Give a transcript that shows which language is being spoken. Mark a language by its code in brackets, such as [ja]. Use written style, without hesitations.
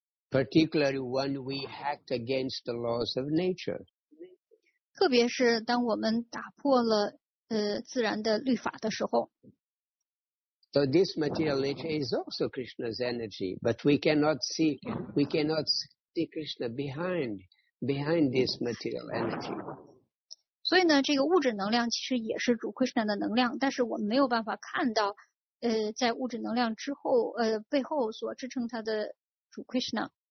[en] Particularly when we act against the laws of nature. [zh] 特别是当我们打破了自然的律法的时候。 [en] So this material nature is also Krishna's energy, but we cannot see Krishna behind this material energy. [zh] 所以呢，这个物质能量其实也是主 Krishna 的能量，但是我们没有办法看到，在物质能量之后，背后所支撑它的主 Krishna。